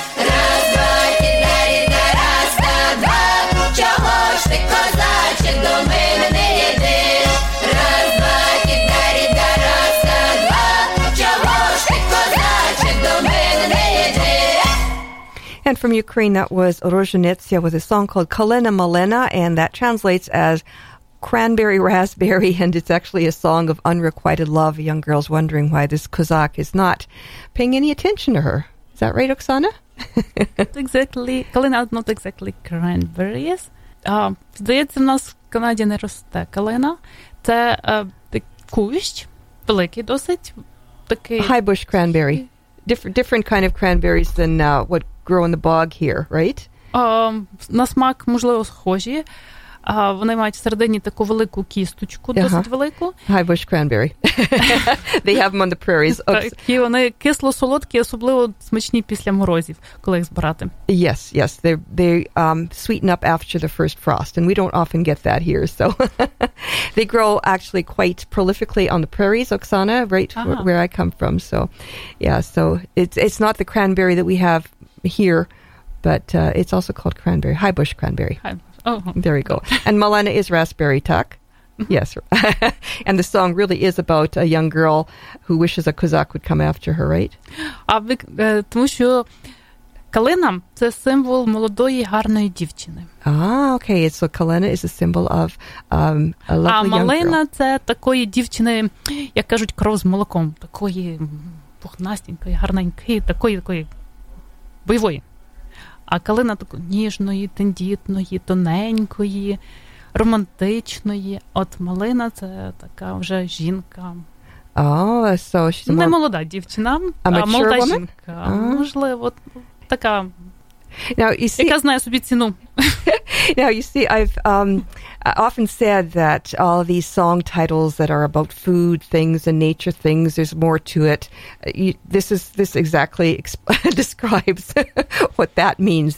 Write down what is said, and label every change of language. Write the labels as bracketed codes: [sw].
[uk] Раз, два, кітарі, та раз, та два. Чого ж ти, козаче, до мене не йдеш? Раз, два, кітарі, та раз, та два. Чого ж ти, козаче, до мене не йдеш? [en] And from Ukraine, that was Rozhenitsa with a song called Kalina Malina, and that translates as Cranberry Raspberry, and it's actually a song of unrequited love. A young girl's wondering why this Kozak is not paying any attention to her. Is that right, Oksana? Exactly. Kalina is not exactly cranberries. [uk] Здається, в нас в Канаді не росте калина. Це кущ, великий досить. Такий [en] high bush cranberry. Different kind of cranberries than what grow in the bog here, right? [uk] На смак, можливо, схожі. Вони мають всередині таку велику кісточку, досить велику. High bush cranberry. They have them on the prairies. Так, і вони кисло-солодкі, особливо смачні після морозів, коли їх збирати. [en] Yes, yes. They sweeten up after the first frost, and we don't often get that here. So they grow actually quite prolifically on the prairies, Оксана, right where I come from. So, yeah, so it's not the cranberry that we have here, but it's also called cranberry, high bush cranberry. Oh, there you go. And Malena is raspberry, tuck. Yes. And the song really is about a young girl who wishes a Kozak would come after her, right? [uk] Тому що калина – це символ молодої гарної дівчини. [en] Okay. So Kalina is a symbol of a lovely young girl. [uk] А Малена – це такої дівчини, як кажуть, кров з молоком. Такої пухнастенької, гарненької, такої бойової. А калина таку ніжної, тендітної, тоненької, романтичної. От малина – це така вже жінка. [en] So she's [uk] не молода дівчина, а молода жінка. Можливо, така, [en] now, you see, [uk] яка знає собі ціну. [en] Now, you see, I've often said that all these song titles that are about food, things, and nature things, there's more to it. This exactly describes what that means.